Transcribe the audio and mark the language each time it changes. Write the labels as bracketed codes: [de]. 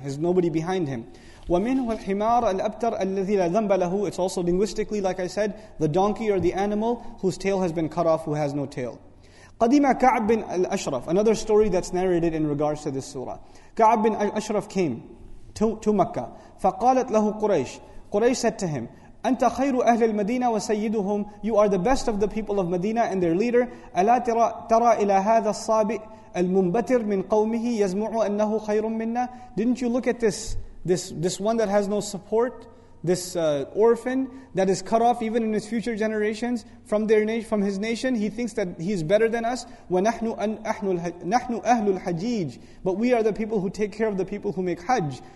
[en] There's nobody behind him. [ar] وَمِنْهُ الْحِمَارَ الْأَبْتَرَ الَّذِي لَا ذَنْبَ لَهُ. [en] It's also linguistically, like I said, the donkey or the animal whose tail has been cut off, who has no tail. [ar] قَدِمَ كَعْبٍ بِنْ الْأَشْرَفِ. [en] Another story that's narrated in regards to this surah. [ar] كَعْبٍ بِنْ الْأَشْرَفِ [en] came to Mecca. [ar] فَقَالَتْ لَهُ قُرَيْشِ. [en] Quraysh said to him, [ar] أنت خير أهل المدينة وسيدهم. [en] You are the best of the people of Medina and their leader. [ar] ألا ترى إلى هذا الصابئ المنبتر من قومه يزمع أنه خير منا. [en] Didn't you look at this one that has no support, this orphan that is cut off even in his future generations from his nation, he thinks that he is better than us. [ar] وَنَحْنُ أَهْلُ الْحَجِيجِ. [en] But we are the people who take care of the people who make hajj.